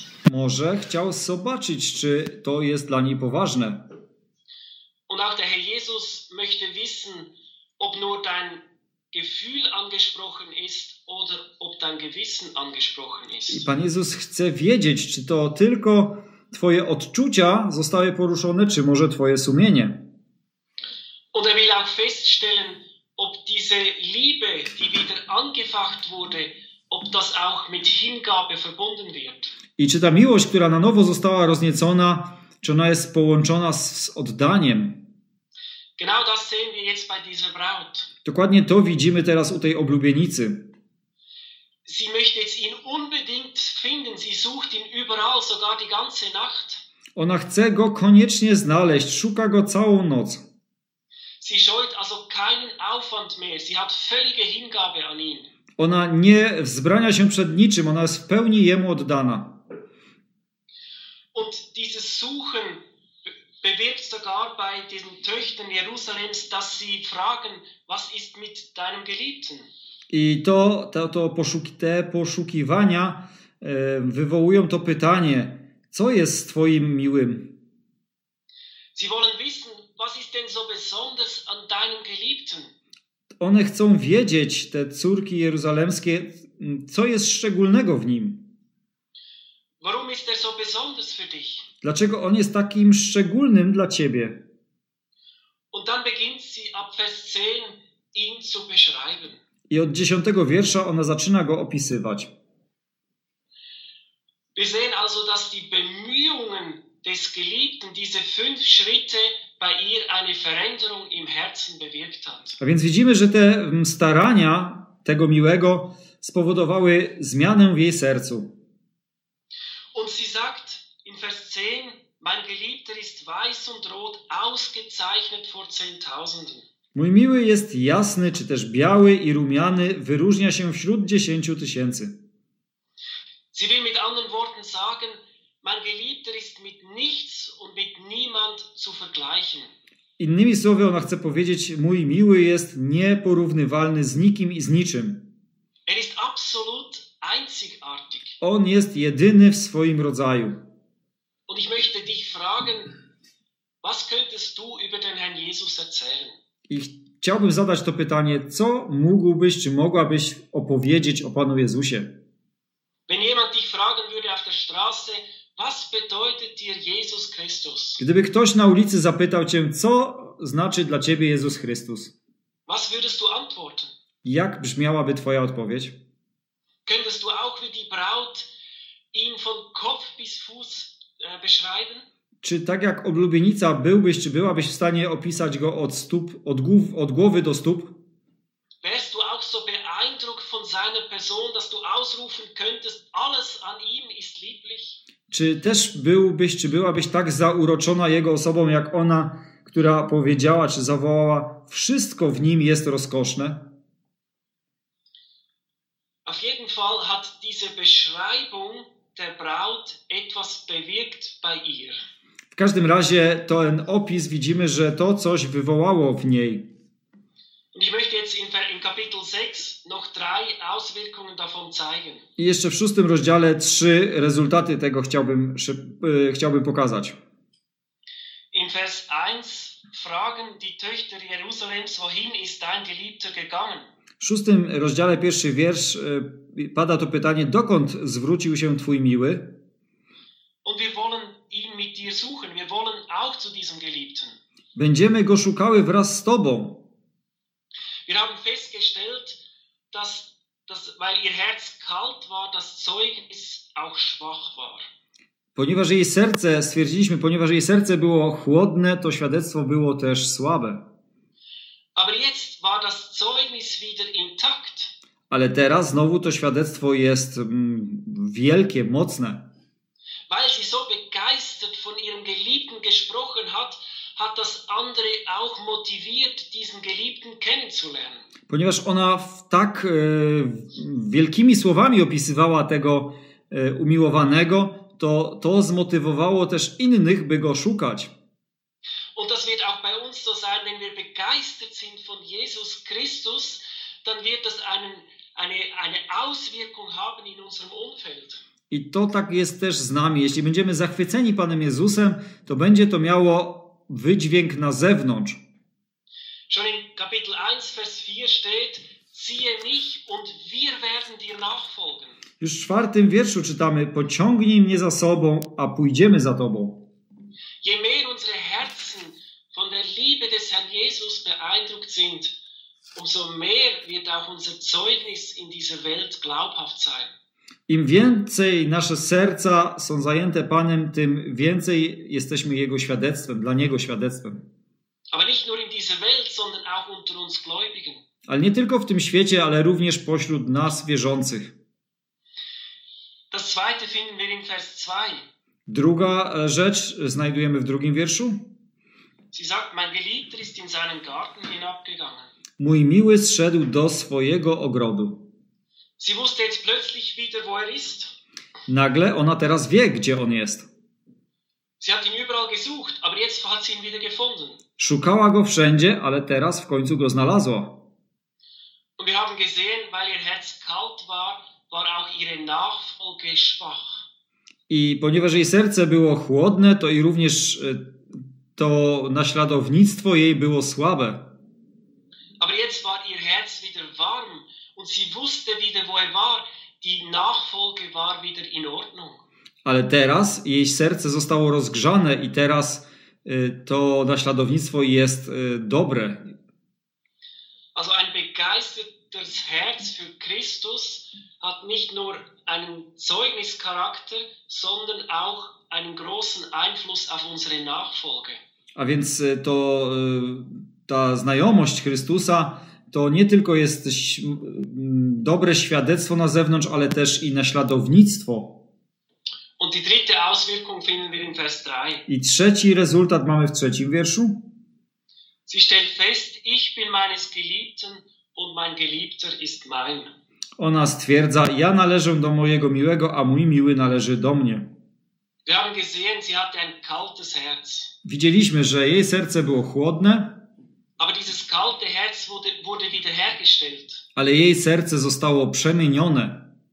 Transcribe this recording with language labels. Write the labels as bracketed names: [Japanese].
[Polish] Może chciał zobaczyć, czy to jest dla niej poważne. [German] Und auch der Herr Jesus möchte wissen, ob nur dein Gefühl angesprochen ist oder ob dein Gewissen angesprochen ist. [Polish] I Pan Jezus chce wiedzieć, czy to tylko twoje odczucia zostały poruszone, czy może twoje sumienie. [German] Und er will auch feststellen, ob diese Liebe, die wieder angefacht wurde, ob das auch mit Hingabe verbunden wird. [Polish] I czy ta miłość, która na nowo została rozniecona, czy ona jest połączona z oddaniem? [German] Genau das sehen wir jetzt bei dieser Braut. [Polish] Dokładnie to widzimy teraz u tej oblubienicy. [German] Sie möchte jetzt ihn unbedingt finden. Sie sucht ihn überall, sogar die ganze Nacht. [Polish] Ona chce go koniecznie znaleźć. Szuka go całą noc. [German] Sie scheut also keinen Aufwand mehr. Sie hat völlige Hingabe an ihn. [Polish] Ona nie wzbrania się przed niczym. Ona jest w pełni jemu oddana. [German] Und dieses Suchen bewirkt sogar bei diesen Töchtern Jerusalems, dass sie fragen, was ist mit deinem Geliebten? [Polish] I te poszukiwania wywołują to pytanie, co jest z twoim miłym? [German] Sie wollen wissen, was ist denn so besonders an deinem Geliebten? [Polish] One chcą wiedzieć, te córki jeruzalemskie, co jest szczególnego w nim? [German] Warum ist er so besonders für dich? [Polish] Dlaczego on jest takim szczególnym dla ciebie? [German] Und dann beginnt sie ab Vers 10 ihn zu beschreiben. [Polish] I od 10 wiersza ona zaczyna go opisywać. [German] Wir sehen also, dass die Bemühungen des Geliebten diese fünf Schritte bei ihr eine Veränderung im Herzen bewirkt hat. [Polish] A więc widzimy, że te starania tego miłego spowodowały zmianę w jej sercu. [German] Und sie sagt in Vers 10, mein Geliebter ist weiß und rot, ausgezeichnet vor Zehntausenden. [Polish] Mój miły jest jasny, czy też biały i rumiany, wyróżnia się wśród 10 000. [German] Sie will mit anderen Worten sagen, mein Geliebter ist mit nichts und mit niemand zu vergleichen. [Polish] Innymi słowy ona chce powiedzieć, mój miły jest nieporównywalny z nikim i z niczym. [German] Er ist absolut einzigartig. [Polish] On jest jedyny w swoim rodzaju. [German] Und ich möchte dich fragen, was könntest du über den Herrn Jesus erzählen? [Polish] I chciałbym zadać to pytanie, co mógłbyś, czy mogłabyś opowiedzieć o Panu Jezusie? [German] Wenn jemand dich fragen würde auf der Straße, was bedeutet dir Jesus Christus? [Polish] Gdyby ktoś na ulicy zapytał cię, co znaczy dla ciebie Jezus Chrystus? [German] Was würdest du antworten? [Polish] Jak brzmiałaby twoja odpowiedź? [German] Könntest du auch wie die Braut ihn von Kopf bis Fuß beschreiben? [Polish] Czy tak jak oblubienica byłbyś, czy byłabyś w stanie opisać go od stóp, od głowy do stóp? [German] Wärst du auch so beeindruckt von seiner Person, dass du ausrufen könntest, alles an ihm ist lieblich? [Polish] Czy też byłbyś, czy byłabyś tak zauroczona jego osobą, jak ona, która powiedziała, czy zawołała, wszystko w nim jest rozkoszne? [German] Auf jeden Fall hat diese Beschreibung der Braut etwas bewirkt bei ihr. [Polish] W każdym razie ten opis widzimy, że to coś wywołało w niej. [German] Und ich möchte jetzt in Kapitel 6 noch drei Auswirkungen davon zeigen. [Polish] I jeszcze w szóstym rozdziale trzy rezultaty tego chciałbym pokazać. [German] In Vers 1 fragen die Töchter Jerusalems, wohin ist dein Geliebter gegangen? [Polish] W szóstym rozdziale pierwszy wiersz pada to pytanie, dokąd zwrócił się twój miły? [German] Und wir wollen ihn mit dir suchen. Wir wollen auch zu diesem Geliebten. [Polish] Będziemy go szukały wraz z tobą. [German] Wir haben festgestellt, dass weil ihr Herz kalt war, das Zeugnis auch schwach war. [Polish] Ponieważ jej serce, stwierdziliśmy, ponieważ jej serce było chłodne, to świadectwo było też słabe. [German] Aber jetzt war das Zeugnis wieder intakt. [Polish] Ale teraz znowu to świadectwo jest wielkie, mocne. [German] Weil sie so begeistert von ihrem Geliebten gesprochen hat, hat das andere auch motiviert, diesen Geliebten kennenzulernen. [Polish] Ponieważ ona tak wielkimi słowami opisywała tego umiłowanego, to zmotywowało też innych, by go szukać. [German] Und das wird auch bei uns so sein, wenn wir begeistert sind von Jesus Christus, dann wird das eine Auswirkung haben in unserem Umfeld. [Polish] I to tak jest też z nami. Jeśli będziemy zachwyceni Panem Jezusem, to będzie to miało wydźwięk na zewnątrz. [German] Schon in Kapitel 1, Vers 4 steht, ziehe mich und wir werden dir nachfolgen. [Polish] Już w 4 wierszu czytamy, pociągnij mnie za sobą, a pójdziemy za tobą. [German] Je mehr unsere Herzen von der Liebe des Herrn Jesus beeindruckt sind, umso mehr wird auch unser Zeugnis in dieser Welt glaubhaft sein. [Polish] Im więcej nasze serca są zajęte Panem, tym więcej jesteśmy Jego świadectwem, dla Niego świadectwem. [German] Aber nicht nur in dieser Welt, sondern auch unter uns Gläubigen. [Polish] Ale nie tylko w tym świecie, ale również pośród nas wierzących. [German] Das zweite finden wir in Vers 2. [Polish] Druga rzecz znajdujemy w 2 wierszu. [German] Sie sagt, mein Geliebter ist in seinen Garten hinabgegangen. [Polish] Mój miły zszedł do swojego ogrodu. [German] Sie wusste jetzt plötzlich wieder, wo er ist. [Polish] Nagle ona teraz wie, gdzie on jest. [German] Sie hat ihn überall gesucht, aber jetzt hat sie ihn wieder gefunden. [Polish] Szukała go wszędzie, ale teraz w końcu go znalazła. [German] Und wir haben gesehen, weil ihr Herz kalt war, war auch ihre Nachfolge schwach. [Polish] I ponieważ jej serce było chłodne, to i również to naśladownictwo jej było słabe. [German] Aber jetzt war ihr Herz wieder warm. Und sie wusste wieder, wo er war. Die Nachfolge war wieder in Ordnung. [Polish] Ale teraz jej serce zostało rozgrzane i teraz to naśladownictwo jest dobre. [German] Also ein begeistertes Herz für Christus hat nicht nur einen Zeugnischarakter, sondern auch einen großen Einfluss auf unsere Nachfolge. [Polish] A więc to ta znajomość Chrystusa to nie tylko jest dobre świadectwo na zewnątrz, ale też i naśladownictwo. [German] Und die dritte Auswirkung finden wir in Vers 3. [Polish] I trzeci rezultat mamy w 3 wierszu. [German] Sie stellt fest, ich bin meines Geliebten und mein Geliebter ist mein. [Polish] Ona stwierdza, ja należę do mojego miłego, a mój miły należy do mnie. [German] Wir haben gesehen, sie hatte ein kaltes Herz. [Polish] Widzieliśmy, że jej serce było chłodne. [German] Aber dieses kalte Herz wurde wiederhergestellt. [Polish] Ale jej serce zostało przemienione.